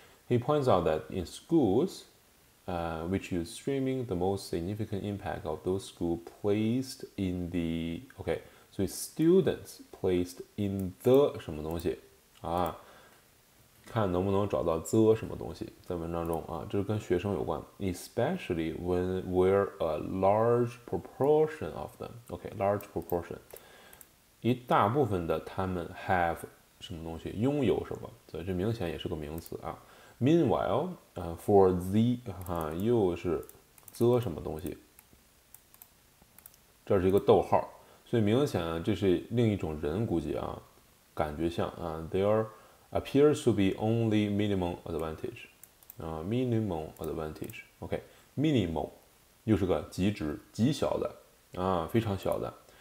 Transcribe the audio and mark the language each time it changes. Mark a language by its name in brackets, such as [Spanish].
[English] He points out that in schools, which use streaming, the most significant impact of those schools placed in the okay, so students placed in the [Chinese] 什么东西啊？看能不能找到 the 什么东西在文章中啊？这是跟学生有关， [English] especially when where a large proportion of them okay, large proportion [Chinese] 一大部分的他们 have 什么东西，拥有什么，所以这明显也是个名词啊。 Meanwhile，for the 哈，又是 the 什么东西，这是一个逗号，所以明显啊，这是另一种人，估计啊，感觉像啊， [English] there appears to be only minimum advantage， [Chinese] 啊，minimum advantage，OK，minimal 又是个极值，极小的啊，非常小的。